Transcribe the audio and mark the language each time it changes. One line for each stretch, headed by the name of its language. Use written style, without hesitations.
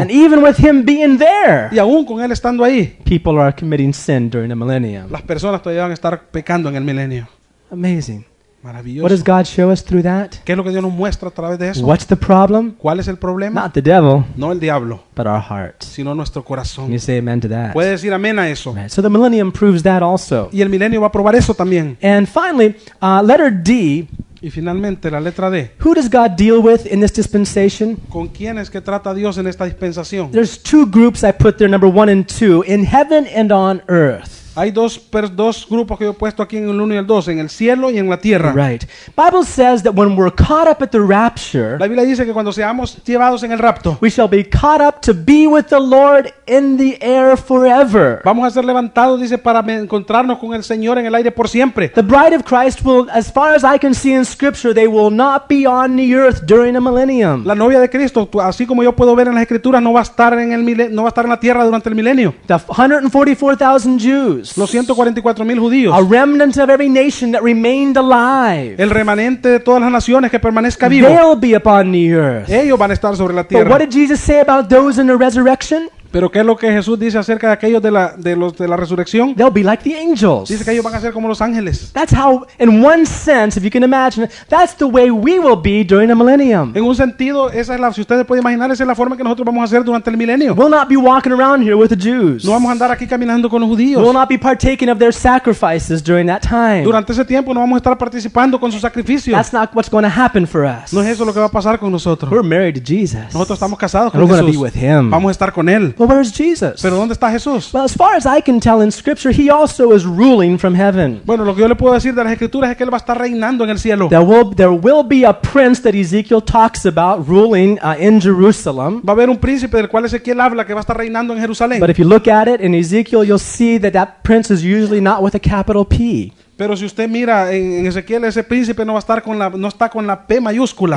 English: And even with him being there,
Spanish: y aún con él estando ahí,
English: people are committing sin during the millennium.
Spanish: Las personas todavía van a estar pecando en el milenio.
English: Amazing.
Spanish: Maravilloso.
English: What does God show us through that?
Spanish: ¿Qué es lo que Dios nos muestra a través de eso?
English: What's the problem?
Spanish: ¿Cuál es el problema?
English: Not the devil.
Spanish: No el diablo.
English: But our hearts.
Spanish: Sino nuestro corazón.
English: Can you say amen to that?
Spanish: ¿Puedes decir amén a eso?
English: Right. So the millennium proves that also.
Spanish: Y el milenio va a probar eso también.
English: And finally, letter D.
Spanish: Y finalmente la letra D.
English: Who does God deal with in this dispensation?
Spanish: ¿Con quién es que trata Dios en esta dispensación?
English: There's two groups I put there, number one and two, in heaven and on earth.
Spanish: Hay dos grupos que yo he puesto aquí en el 1 y el 2, en el cielo y en la tierra.
English: Right. Bible says that when we're caught up at the rapture,
Spanish: la Biblia dice que cuando seamos llevados en el rapto,
English: we shall be caught up to be with the Lord in the air forever.
Spanish: Vamos a ser levantados, dice, para encontrarnos con el Señor en el aire por siempre.
English: The bride of Christ will, as far as I can see in scripture, they will not be on the earth during a millennium.
Spanish: La novia de Cristo, así como yo puedo ver en las escrituras, no va a estar en la tierra durante el milenio.
English: The 144,000 Jews.
Spanish: Los 144,000 judíos.
English: A remnant of every nation that remained alive.
Spanish: El remanente de todas las naciones que permanezca vivo.
English: They'll be upon the earth.
Spanish: Ellos van a estar sobre la tierra.
English: But what did Jesus say about those in the resurrection?
Spanish: Pero ¿qué es lo que Jesús dice acerca de aquellos de la resurrección?
English: They'll be like the angels.
Spanish: Dice que ellos van a ser como los ángeles.
English: That's how, in one sense, if you can imagine, that's the way we will be during the millennium.
Spanish: En un sentido, esa es la, si ustedes pueden imaginar, esa es la forma que nosotros vamos a ser durante el milenio.
English: We'll not be walking around here with the Jews.
Spanish: No vamos a andar aquí caminando con los judíos.
English: We'll not be partaking of their sacrifices during that time.
Spanish: Durante ese tiempo no vamos a estar participando con sus sacrificios.
English: That's not what's going to happen for us.
Spanish: No es eso lo que va a pasar con nosotros.
English: We're married to Jesus.
Spanish: Nosotros estamos casados con Jesús.
English: We're going to be with him.
Spanish: Vamos a estar con él.
English: Well, where is Jesus?
Spanish: ¿Pero dónde está Jesús?
English: Well, as far as I can tell in scripture, he also is ruling from heaven.
Spanish: Bueno, lo que yo le puedo decir de las escrituras es que él va a estar reinando en el cielo.
English: There will be a prince that Ezekiel talks about ruling in Jerusalem.
Spanish: Va a haber un príncipe del cual Ezequiel habla que va a estar reinando en Jerusalén.
English: But if you look at it in Ezekiel, you'll see that prince is usually not with a capital P.
Spanish: Pero si usted mira en Ezequiel, ese príncipe no está con la P mayúscula.